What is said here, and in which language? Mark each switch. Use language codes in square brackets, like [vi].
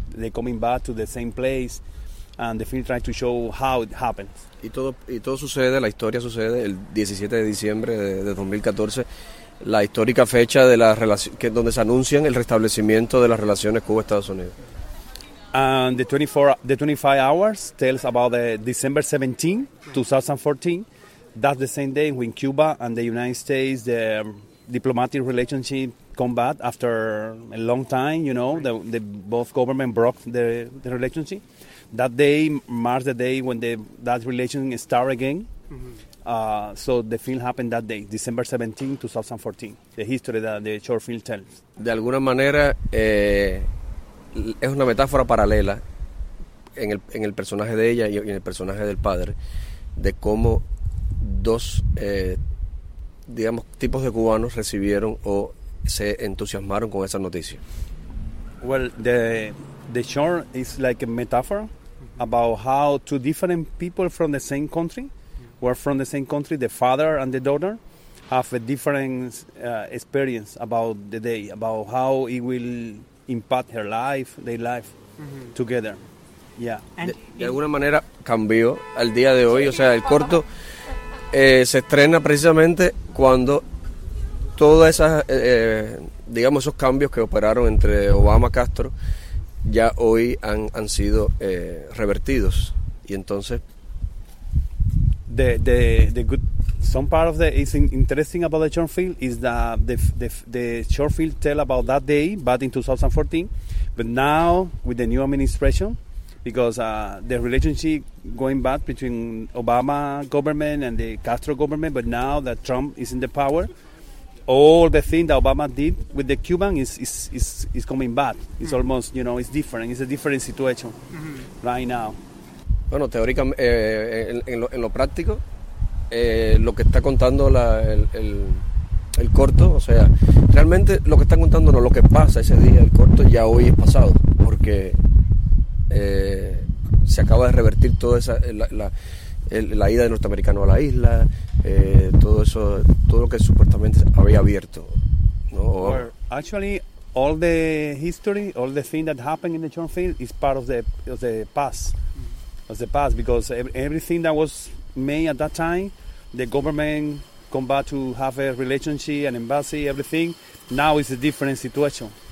[en] They're coming back to the same place, and the film tries to show how it happens. [es] Y todo sucede, la historia sucede el 17 de diciembre de 2014, la histórica fecha de la relación, donde se anuncian el restablecimiento de las relaciones Cuba-Estados Unidos. [en] And the 25 hours tells about the December 17, 2014. That's the same day when Cuba and the United States, the diplomatic relationship combat after a long time, the both government broke the relationship. That day marks the day when that relationship started again. So the film happened that day, December 17, 2014. The history that the short film tells. [es] De alguna manera es una metáfora paralela en el personaje de ella y en el personaje del padre de cómo dos digamos tipos de cubanos recibieron o se entusiasmaron con esa noticia. [en] Well, the short is like a metaphor about how two different people from the same country, were from the same country, the father and the daughter, have a different experience about the day, about how it will impact her life, their life together. Yeah. [es] De alguna manera cambió al día de hoy. O sea, el corto se estrena precisamente cuando todas esas, digamos, esos cambios que operaron entre Obama y Castro ya hoy han sido revertidos. Y entonces [en] the good some part of the is interesting about the short film is that the short film tell about that day, but in 2014, but now with the new administration, because the relationship going back between Obama government and the Castro government, but now that Trump is in the power, all the thing that Obama did with the Cuban is coming back. It's mm-hmm. almost, you know, it's different. It's a different situation mm-hmm. right now. [es] Bueno, teóricamente, en lo práctico, lo que está contando el corto, o sea, realmente lo que está contando no lo que pasa ese día, el corto ya hoy es pasado, porque se acaba de revertir toda esa la ida de norteamericano a la isla, todo eso, todo lo que supuestamente había abierto, ¿no? [en] Actually, all the history, all the thing that happened in the Trump field is part of the past. Of the past, because everything that was made at that time, the government come back to have a relationship, an embassy, everything, now it's a different situation.